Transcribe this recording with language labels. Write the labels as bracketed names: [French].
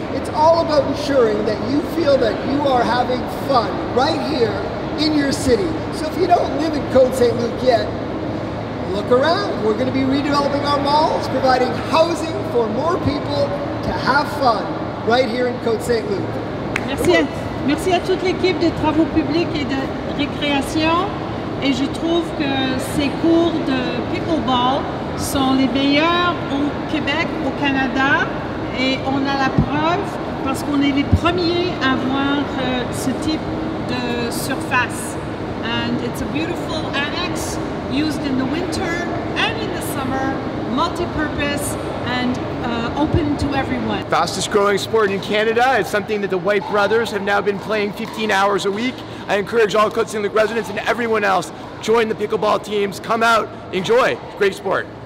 [English] It's all about ensuring that you feel that you are having fun right here in your city. So if you don't live in Côte Saint-Luc yet, look around. We're going to be redeveloping our malls, providing housing for more people to have fun right here in Côte Saint-Luc. [French] Merci à toute l'équipe de travaux publics et de récréation. Et je trouve que ces cours de pickleball sont les meilleurs au Québec, au Canada. Et on a la preuve parce qu'on est les premiers à avoir ce type de surface. [English] And it's a beautiful annex used in the winter and in the summer, multi-purpose and open to everyone. Fastest growing sport in Canada. It's something that the White Brothers have now been playing 15 hours a week. I encourage all Côte Saint-Luc residents and everyone else, join the pickleball teams, come out, enjoy, great sport.